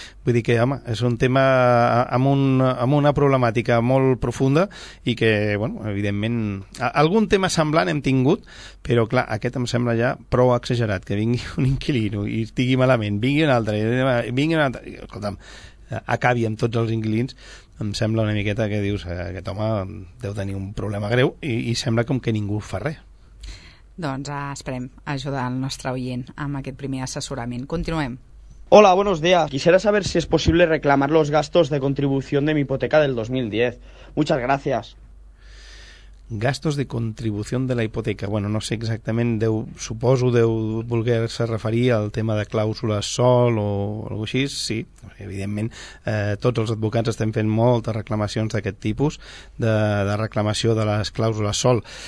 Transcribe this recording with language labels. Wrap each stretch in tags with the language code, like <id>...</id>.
<ca>Vull dir que, home, és un tema amb una problemàtica molt profunda i que, bueno, evidentment, algun tema semblant hem tingut, però, clar, aquest em sembla ja prou exagerat, que vingui un inquilino i estigui malament, vingui un altre, escolta'm, acabi amb tots els inquilins, em sembla una miqueta que dius aquest home deu tenir un problema greu i sembla com que ningú fa res. Doncs esperem ajudar el nostre oient amb aquest primer assessorament. Continuem.</ca> <es>Hola, buenos días. Quisiera saber si es posible reclamar los gastos de contribución de mi hipoteca del 2010. Muchas gracias.</es> <ca>Gastos de contribució de la hipoteca. Bueno, no sé exactament, suposo deu voler-se referir al tema de clàusules sòl o alguna cosa així. Sí, evidentment, tots els advocats estem fent moltes reclamacions d'aquest tipus, de reclamació de les clàusules sòl.</ca>